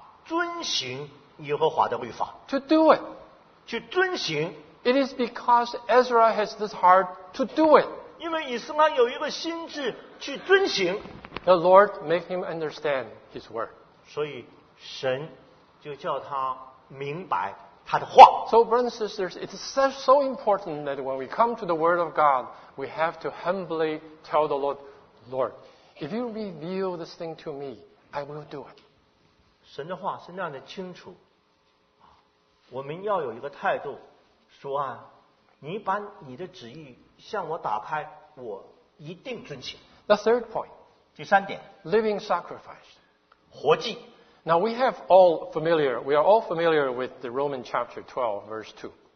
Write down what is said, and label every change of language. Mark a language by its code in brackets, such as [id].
[zh] 以斯拉定制考察遵行耶和华的律法。 [en] To do it. [zh] 去遵行。 [en] It is because Ezra has this heart to do it. [zh] 因为以斯拉有一个心智去遵行。 [en] The Lord made him understand his word. [zh] 所以神 就叫他明白他的话。 [en] So, brothers and sisters, it's so important that when we come to the Word of God, we have to humbly tell the Lord, Lord, if you reveal this thing to me, I will do it. [zh] 神的话是那样的清楚。我们要有一个态度, 说啊, 你把你的旨意向我打开, 我一定遵行。 [en] The third point. [zh] 第三点, [en] living sacrifice. [zh] 活祭。 [en] Now we are all familiar with the Roman chapter 12, verse 2.